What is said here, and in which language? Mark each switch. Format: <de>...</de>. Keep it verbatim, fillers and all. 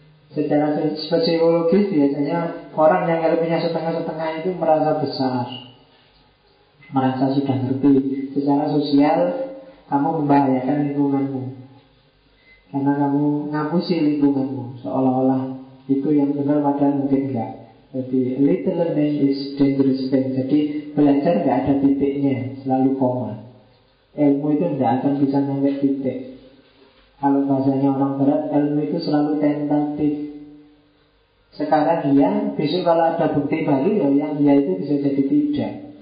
<id>Secara psikologis biasanya orang yang ilmunya setengah-setengah itu merasa besar, merasa sudah ngerti. Secara sosial kamu membahayakan lingkunganmu, karena kamu ngapusi lingkunganmu seolah-olah itu yang benar padahal mungkin enggak.</id> <en>Jadi little learning is dangerous thing.</en> <id>Jadi belajar tidak ada titiknya, selalu koma. Ilmu itu tidak akan bisa nyampe titik. Kalau bahasanya orang barat, ilmu itu selalu tentatif. Sekarang iya, besok kalau ada bukti baru ya, yang iya itu bisa jadi tidak.</id>